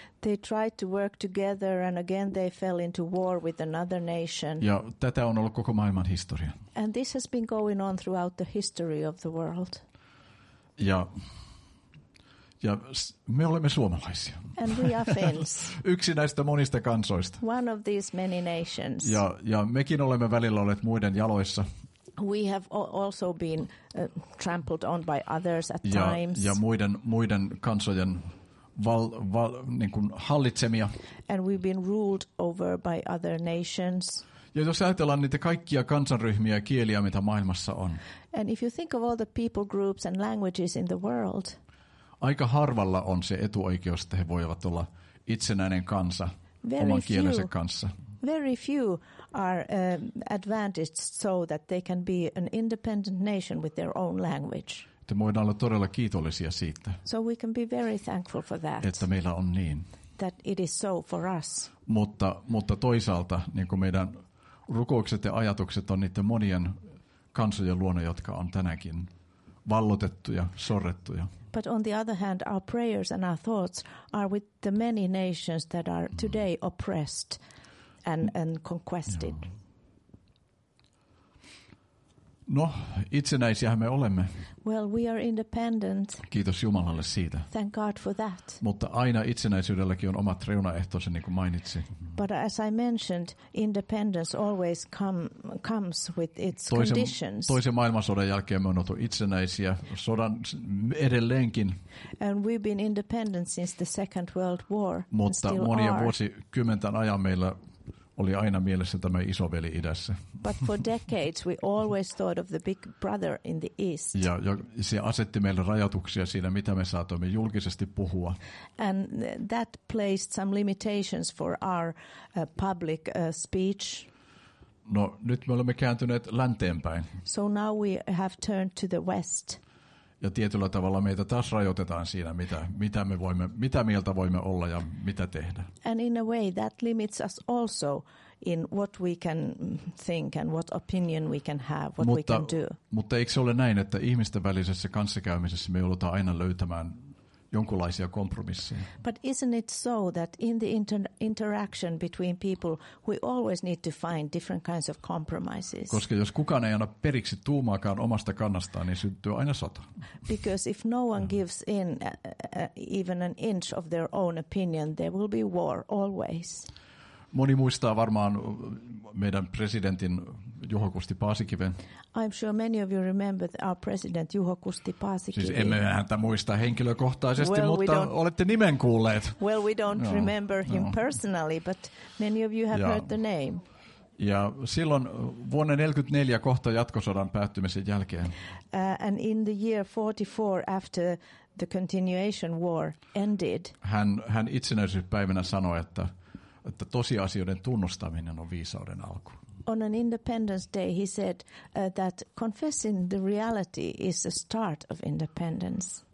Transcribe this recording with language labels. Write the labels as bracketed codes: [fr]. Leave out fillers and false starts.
[en] They tried to work together and again they fell into war with another nation. [fi] Ja tätä on ollut koko maailman historia. [en] And this has been going on throughout the history of the world. [fi] Ja me olemme suomalaisia. [en] And we are Finns. [fi] Yksi näistä monista kansoista. [en] One of these many nations. [fi] Ja mekin olemme välillä olleet muiden jaloissa. [en] We have also been trampled on by others at [fi] ja, [en] times. [fi] Ja muiden kansojen niin kuin hallitsemia. [en] And we've been ruled over by other nations. [fi] Ja jos ajatellaan niitä kaikkia kansanryhmiä ja kieliä, mitä maailmassa on. [en] And if you think of all the people groups and languages in the world. [fi] Aika harvalla on se etuoikeus, että he voivat olla itsenäinen kansa oman kielensä kanssa. [en] Very few are advantaged so that they can be an independent nation with their own language. [fi] Me voidaan olla todella kiitollisia siitä. [en] So we can be very thankful for that. [fi] Että meillä on niin. [en] That it is so for us. [fi] Mutta toisaalta niin kuin meidän rukoukset ja ajatukset on niiden monien kansojen luona, jotka on tänäkin vallotettuja, sorrettuja. [en] But on the other hand, our prayers and our thoughts are with the many nations that are today oppressed and conquested. [fi] No, itsenäisiähän me olemme. [en] Well, we are independent. [fi] Kiitos Jumalalle siitä. [en] Thank God for that. [fi] Mutta aina itsenäisyydelläkin on omat reunaehtoisen, niin kuin mainitsin. [en] But as I mentioned, independence always comes with its conditions. [fi] Toisen maailmansodan jälkeen me on oltu itsenäisiä, sodan edelleenkin. [en] And we've been independent since the Second World War. [fi] Mutta monien vuosikymmenten ajan meillä oli aina mielessä tämä isoveli idässä. [en] But for decades we always thought of the big brother in the east. [fi] Ja se asetti meille rajoituksia siinä, mitä me saatoimme julkisesti puhua. [en] And that placed some limitations for our public speech. [fi] No, nyt me olemme kääntyneet länteenpäin. [en] So now we have turned to the west. [fi] Ja tietyllä tavalla meitä taas rajoitetaan siinä, mitä mieltä voimme olla ja mitä tehdä. [en] And in a way that limits us also in what we can think and what opinion we can have, what [fi] mutta, [en] we can do. [fi] Mutta eikö se ole näin, että ihmisten välisessä kanssakäymisessä me joudutaan aina löytämään jonkinlaisia kompromisseja? [en] But isn't it so that in the interaction between people we always need to find different kinds of compromises? [fi] Koska jos kukaan ei anna periksi tuumaakaan omasta kannastaan, niin syntyy aina sota. [en] Because if no one gives in even an inch of their own opinion, there will be war always. [fi] Moni muistaa varmaan meidän presidentin Juho Kusti Paasikiven. [en] I'm sure many of you remember our president Juho Kusti Paasikivi. [fi] Siis emme häntä muista henkilökohtaisesti, well, mutta olette nimen kuulleet. [en] Well, we don't remember him personally, but many of you have heard the name. [fi] Ja silloin vuonna 1944 kohta jatkosodan päättymisen jälkeen. [en] And in the year 44 after the continuation war ended. [fi] Hän itsenäisyyspäivänä sanoi, että tosiasioiden tunnustaminen on viisauden alku. [en] On an independence day he said that confessing the reality is the start of independence.